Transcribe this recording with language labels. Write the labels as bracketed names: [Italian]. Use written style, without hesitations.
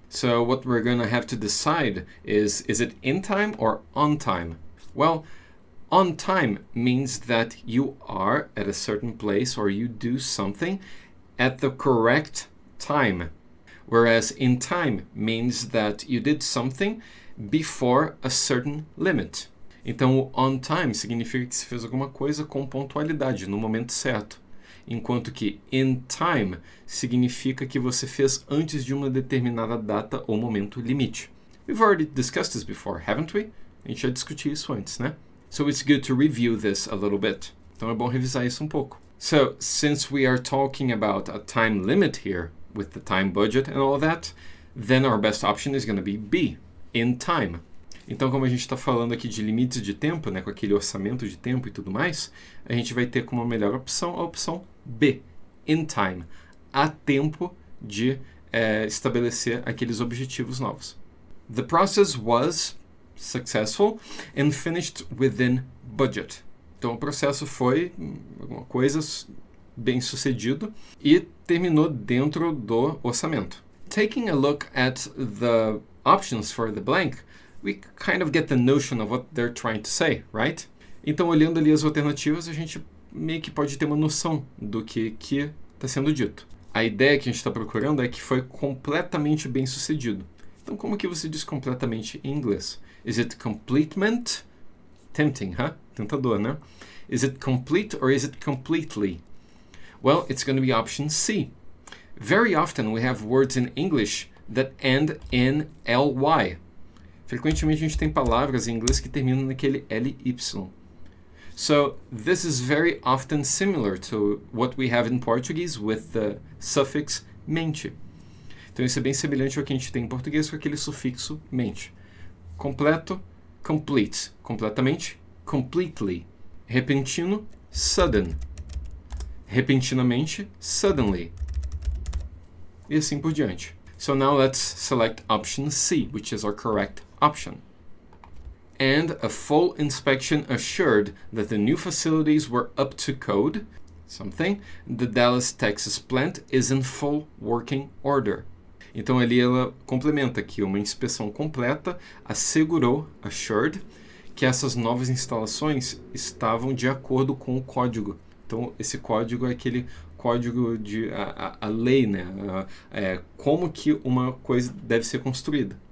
[English] So what we're going to have to decide is it in time or on time? Well, on time means that you are at a certain place or you do something at the correct time. Whereas in time means that you did something before a certain limit. [Portuguese] Então, on time significa que você fez alguma coisa com pontualidade, no momento certo. Enquanto que in time significa que você fez antes de uma determinada data ou momento limite. [English] We've already discussed this before, haven't we? [Portuguese] A gente já discutiu isso antes, né? [English] So it's good to review this a little bit. [Portuguese] Então é bom revisar isso um pouco. [English] So, since we are talking about a time limit here, with the time budget and all that, then our best option is going to be B, in time. [Portuguese] Então, como a gente está falando aqui de limites de tempo, né, com aquele orçamento de tempo e tudo mais, a gente vai ter como a melhor opção a opção B, in time, a tempo de estabelecer aqueles objetivos novos. [English] The process was successful and finished within budget. [Portuguese] Então, o processo foi alguma coisa bem sucedido e terminou dentro do orçamento. [English] Taking a look at the options for the blank, we kind of get the notion of what they're trying to say, right? [Portuguese] Então, olhando ali as alternativas, a gente meio que pode ter uma noção do que está sendo dito. A ideia que a gente está procurando é que foi completamente bem sucedido. Então, como que você diz completamente em inglês? [English] Is it completement? Tempting, huh? [Portuguese] Tentador, né? [English] Is it complete or is it completely? Well, it's going to be option C. Very often we have words in English that end in L-Y. [Portuguese] Frequentemente a gente tem palavras em inglês que terminam naquele L-Y. [English] So, this is very often similar to what we have in Portuguese with the suffix mente. [Portuguese] Então isso é bem semelhante ao que a gente tem em português com aquele sufixo mente. Completo, complete. Completamente, [English] completely. [Portuguese] Repentino, sudden. Repentinamente, suddenly, e assim por diante. [English] So now let's select option C, which is our correct option. And a full inspection assured that the new facilities were up to code, something, the Dallas, Texas plant is in full working order. [Portuguese] Então ali ela complementa que uma inspeção completa assegurou, assured, que essas novas instalações estavam de acordo com o código. Então, esse código é aquele código de a lei, né? Como que uma coisa deve ser construída.